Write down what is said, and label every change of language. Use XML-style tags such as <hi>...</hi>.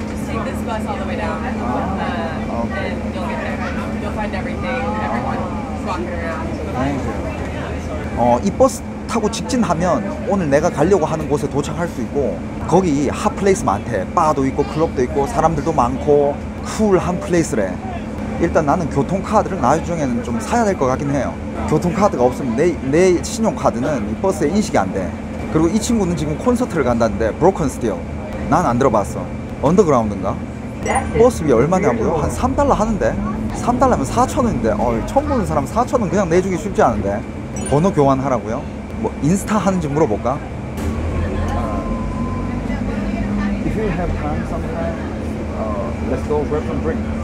<en>Just take this bus all the way down. Okay. And you'll get there. You'll find everything, everyone walking around. Thank you.</en> <ko>이 버스 타고 직진하면 오늘 내가 가려고 하는 곳에 도착할 수 있고 거기 핫 플레이스 많대. 바도 있고 클럽도 있고 사람들도 많고 쿨한 플레이스래. 일단 나는 교통카드를 나중에는 좀 사야 될 것 같긴 해요. 교통카드가 없으면 내 신용카드는 이 버스에 인식이 안 돼. 그리고 이 친구는 지금 콘서트를 간다는데 브로큰 스틸 난 안 들어봤어. 언더그라운드인가? 버스비 얼마냐고요? 한 $3 하는데? 3달러면 4,000원인데 처음 보는 사람 4,000원 그냥 내주기 쉽지 않은데. 번호 교환하라고요? 뭐 인스타 하는지 물어볼까?</ko> <en>If you have time sometime, let's go grab some drink.</en>